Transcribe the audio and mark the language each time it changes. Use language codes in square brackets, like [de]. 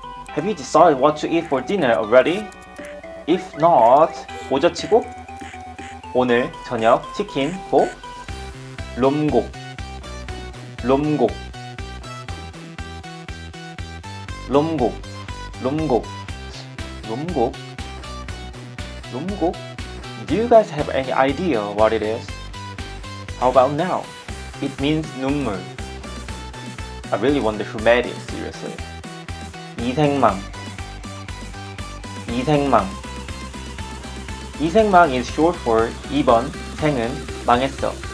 [en] Have you decided what to eat for dinner already? If not, [ko] 오저치고? 오늘 저녁 치킨 보 롬곡 롬곡 롬곡 롬곡 롬곡 롬곡. [en] Do you guys have any idea what it is? How about now? It means 눈물. I really wonder who made it, seriously. [ko] 이생망 이생망. [en] 이생망 is short for [ko] 이번 생은 망했어.